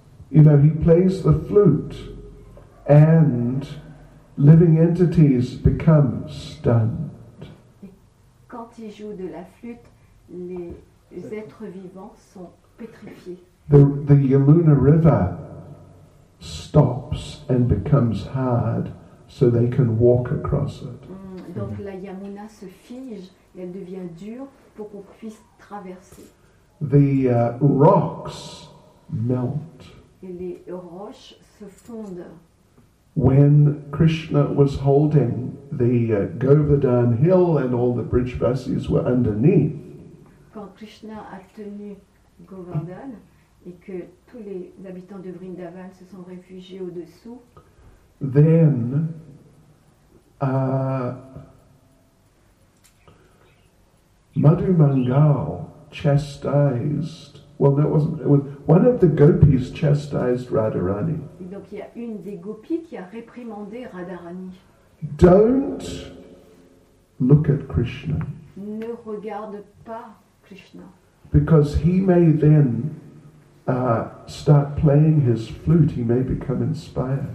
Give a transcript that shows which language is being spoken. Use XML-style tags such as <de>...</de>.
<en>You know, he plays the flute and living entities become stunned.</en> <fr>Quand il joue de la flûte, les êtres vivants sont pétrifiés.</fr> <en>The Yamuna River stops and becomes hard so they can walk across it.</en> <fr>Donc la Yamuna se fige et elle devient dure pour qu'on puisse traverser.</fr> <en>The rocks melt.</en> <fr>Et les roches se fondent.</fr> <en>When Krishna was holding the Govardhan Hill and all the Brijvasis were underneath,</en> <fr>quand Krishna a tenu Govardhan et que tous les habitants de Vrindavan se sont réfugiés au-dessous,</fr> <en>then Madhu Mangal chastised. Well, that wasn't. It was one of the gopis chastised Radharani.</en> <fr>Donc il y a une des gopis qui a réprimandé Radharani.</fr> <en>Don't look at Krishna.</en> <fr>Ne regarde pas Krishna.</fr> <en>Because he may then start playing his flute, he may become inspired.</en>